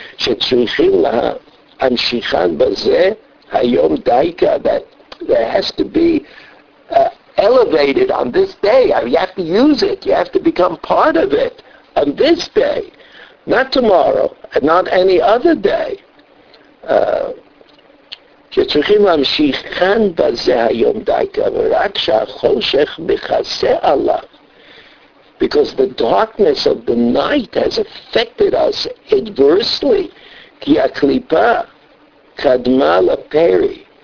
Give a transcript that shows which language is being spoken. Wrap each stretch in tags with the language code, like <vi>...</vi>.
<he>She'tzrichim la'amshichan b'zeh hayom daika,</he> <en>that there has to be elevated on this day. I mean, you have to use it. You have to become part of it on this day, not tomorrow, and not any other day.</en> <he>שצריכים להמשיך כאן בזה היום דייקה, ורק שהחושך מכסה עליו.</he> <en>Because the darkness of the night has affected us adversely,</en> <he>כי הקליפה קדמה לפרי.</he>